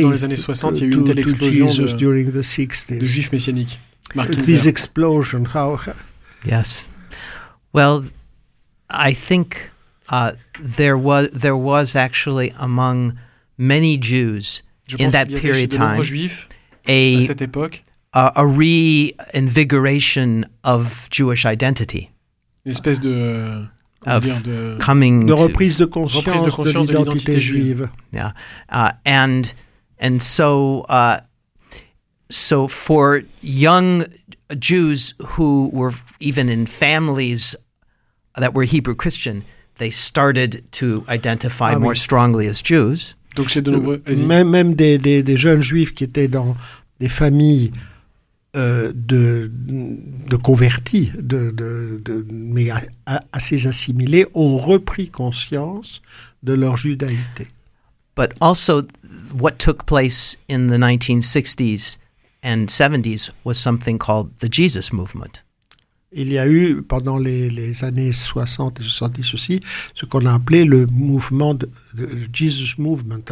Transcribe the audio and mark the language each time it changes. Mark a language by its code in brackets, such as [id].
[fr] dans les années 60 il y a eu une telle explosion de juifs messianiques? [en] This explosion, how? Yes. Well, I think there was actually among many Jews in that period of time. [fr] Je pense qu'il y avait chez de nombreux juifs à cette époque. [en] A reinvigoration of Jewish identity. [fr] Une espèce de, [en] coming [fr] de reprise de conscience de l'identité juive. [en] Yeah. And so for young Jews who were even in families that were Hebrew Christian, they started to identify more strongly as Jews. [fr] Donc chez de nombreux, même des jeunes juifs qui étaient dans des familles de convertis, mais assez assimilés, ont repris conscience de leur judaïté. [en] But also, what took place in the 1960s and 70s was something called the Jesus Movement. [fr] Il y a eu, pendant les années 60 et 70 aussi, ce qu'on a appelé le mouvement de Jesus Movement.